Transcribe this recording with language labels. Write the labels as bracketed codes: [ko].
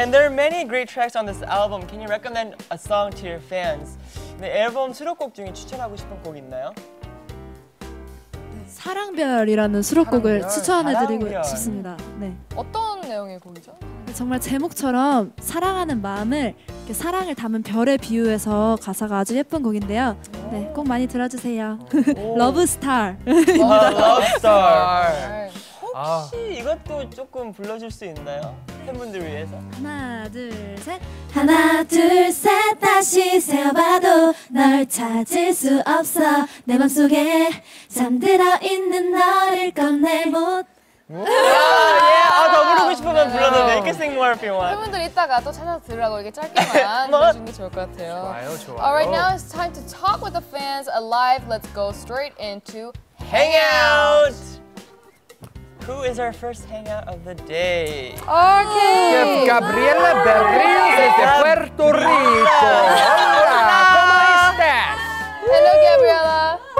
[en] And there are many great tracks on this album. Can you recommend a song to your fans? [ko] 네, 앨범 수록곡 중에 추천하고 싶은 곡 있나요? 네, 사랑별이라는 수록곡을 추천해드리고 싶습니다. 네. 어떤 내용의 곡이죠? 네, 정말 제목처럼 사랑하는 마음을 이렇게 사랑을 담은 별에 비유해서 가사가 아주 예쁜 곡인데요. 네, 꼭 많이 들어주세요. 러브 스타입니다. 러브 스타. 혹시 이것도 조금 불러줄 수 있나요? 팬분들 위해서 하나 둘 셋 하나 둘 셋 다시 세어봐도 널 찾을 수 없어 내 맘속에 잠들어 있는 너를 꺼내 못 더 부르고 싶으면 불러도 돼 [en] You can sing more if you want [ko] 팬분들 이따가 또 찾아서 들으라고 이렇게 짧게만 해주는 게 좋을 것 같아요 좋아요 좋아요 [en] All right, now it's time to talk with the fans alive Let's go straight into Hangout! Who is our first hangout of the day? Okay! Gabriela Berrio desde Puerto Rico! Hola! Hello, Gabriela!